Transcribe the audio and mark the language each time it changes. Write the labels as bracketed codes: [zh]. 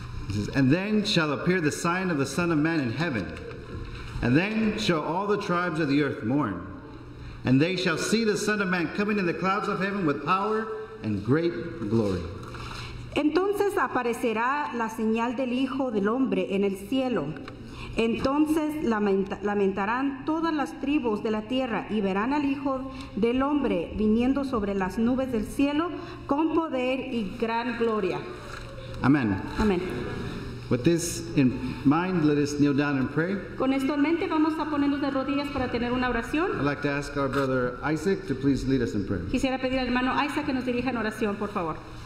[en] It says, "And then shall appear the sign of the Son of Man in heaven, and then shall all the tribes of the earth mourn, and they shall see the Son of Man coming in the clouds of heaven with power and great glory." [es] Entonces aparecerá la señal del Hijo del Hombre en el cielo. Entonces lamentarán todas las tribus de la tierra y verán al Hijo del Hombre viniendo sobre las nubes del cielo con poder y gran gloria. Amén. Amén. [en] With this in mind, let us kneel down and pray. [es] Con esto en mente, vamos a ponernos de rodillas para tener una oración. [en] I'd like to ask our brother Isaac to please lead us in prayer. [es] Quisiera pedir al hermano Isaac que nos dirija en oración, por favor.